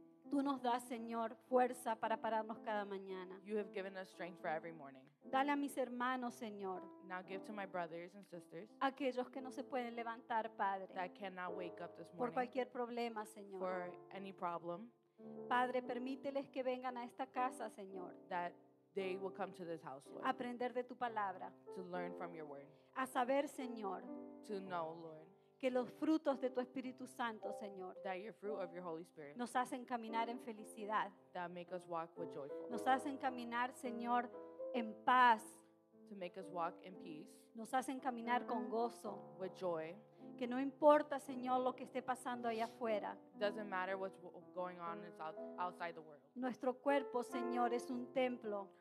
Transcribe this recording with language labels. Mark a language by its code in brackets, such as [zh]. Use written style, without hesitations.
[es] Tú nos das, Señor, fuerza para pararnos cada mañana. [en] You have given us strength for every morning. [es] Dale a mis hermanos, Señor. [en] Now give to my brothers and sisters. [es] Aquellos que no se pueden levantar, Padre. [en] That cannot wake up this morning. [es] Por cualquier problema, Señor. [en] For any problem. [es] Padre, permíteles que vengan a esta casa, Señor. [en] That they will come to this house, Lord. [es] Aprender de tu palabra. [en] To learn from your word. [es] A saber, Señor. [en] To know, Lord. [es] Que los frutos de tu Espíritu Santo, Señor, [en] that your fruit of your Holy Spirit, [es] nos hacen caminar en felicidad. [en] That make us walk with joy. [es] Nos hacen caminar, Señor, en paz. [en] To make us walk in peace. [es] Nos hacen caminar con gozo. [en] With joy. [es] Que no importa, Señor, lo que esté pasando allá afuera. [en] Doesn't matter what's going on outside the world. [es] Nuestro cuerpo, Señor, es un templo.